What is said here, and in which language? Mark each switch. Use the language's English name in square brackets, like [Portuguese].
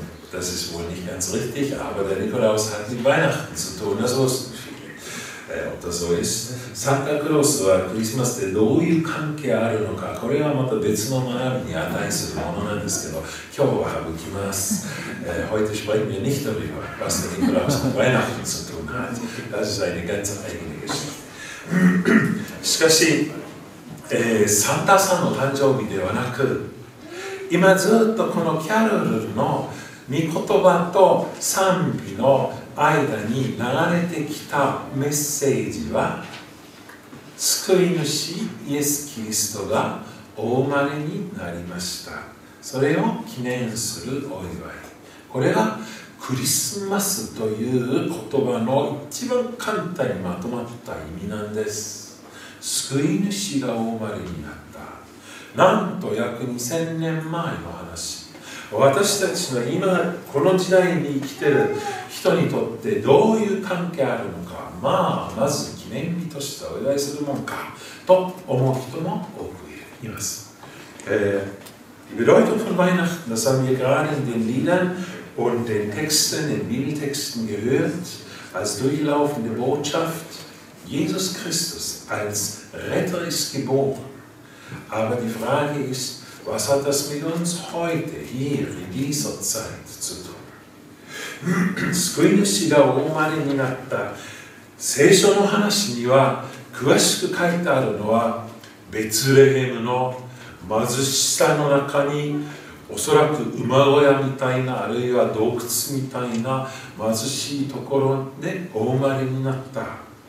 [German] Das ist wohl nicht ganz richtig, aber der Nikolaus hat mit Weihnachten zu tun, das wussten viele. ob das so ist. [Japanese] Santa Claus はクリスマスでどういう関係あるのか、これはまた別の学びに値するものなんですけど、今日は省きます。 [German] heute sprechen wir nicht darüber, was der Nikolaus mit Weihnachten zu tun hat. Das ist eine ganz eigene Geschichte. [Japanese] しかし、サンタさんの誕生日ではなく、今ずっとこのキャロルの御言葉と賛美の間に流れてきたメッセージは、救い主イエス・キリストがお生まれになりました、それを記念するお祝い、これがクリスマスという言葉の一番簡単にまとまった意味なんです。救い主がお生まれになった、なんと約2000年前の話。私たちの今この時代に生きている人にとってどういう関係あるのか、まあまず記念日としてお祝いするものかと思う人も多くいます。 [German] Die Bedeutung von Weihnachten, das haben wir gerade in den Liedern und den Texten, den Bibeltexten gehört, als durchlaufende Botschaft, Jesus Christus als Retter ist geboren. Aber die Frage ist,Was hat das mit uns heute, hier, in dieser Zeit zu tun? [Japanese] 救い主がお生まれになった聖書の話には詳しく書いてあるのは、ベツレヘムの貧しさの中に、おそらく馬小屋みたいな、あるいは洞窟みたいな貧しいところでお生まれになった。